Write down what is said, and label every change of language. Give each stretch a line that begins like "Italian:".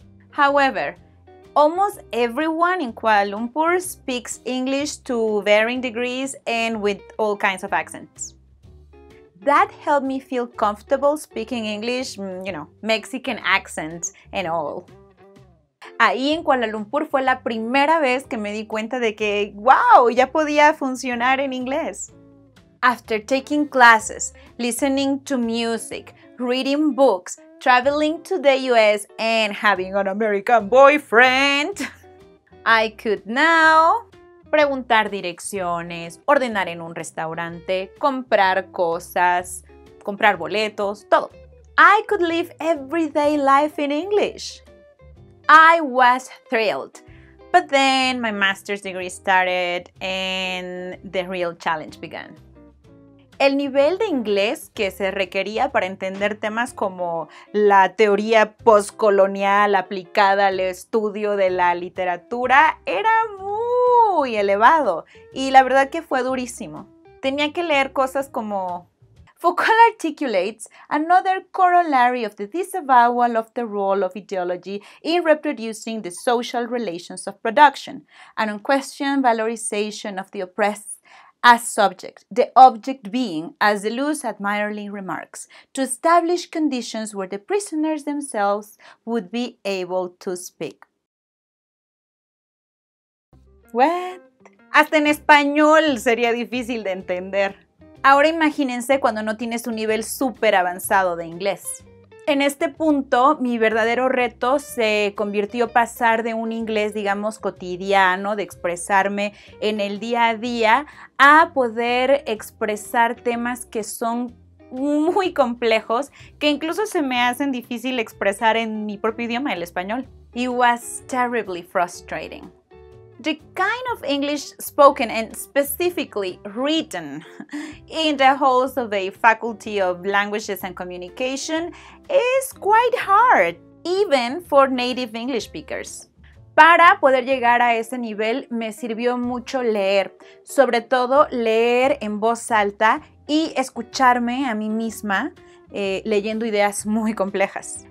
English: However, almost everyone in Kuala Lumpur speaks English to varying degrees and with all kinds of accents. That helped me feel comfortable speaking English, you know, Mexican accent and all.
Spanish: Ahí en Kuala Lumpur fue la primera vez que me di cuenta de que, wow, ya podía funcionar en inglés.
English: After taking classes, listening to music, reading books, traveling to the US and having an American boyfriend, I could now
Spanish: preguntar direcciones, ordenar en un restaurante, comprar cosas, comprar boletos, todo.
English: I could live everyday life in English. I was thrilled, but then my master's degree started and the real challenge began.
Spanish: El nivel de inglés que se requería para entender temas como la teoría postcolonial aplicada al estudio de la literatura era muy elevado y la verdad que fue durísimo. Tenía que leer cosas como
English: Foucault articulates another corollary of the disavowal of the role of ideology in reproducing the social relations of production, an unquestioned valorization of the oppressed as subject, the object being, as Deleuze admiringly remarks, to establish conditions where the prisoners themselves would be able to speak.
Spanish: What? Hasta en español sería difícil de entender. Ahora imagínense cuando no tienes un nivel súper avanzado de inglés. En este punto, mi verdadero reto se convirtió en pasar de un inglés, digamos, cotidiano, de expresarme en el día a día, a poder expresar temas que son muy complejos, que incluso se me hacen difícil expresar en mi propio idioma, el español.
English: It was terribly frustrating. The kind of English spoken and specifically written in the halls of a faculty of languages and communication is quite hard, even for native English speakers.
Spanish: Para poder llegar a ese nivel, me sirvió mucho leer, sobre todo leer en voz alta y escucharme a mí misma leyendo ideas muy complejas.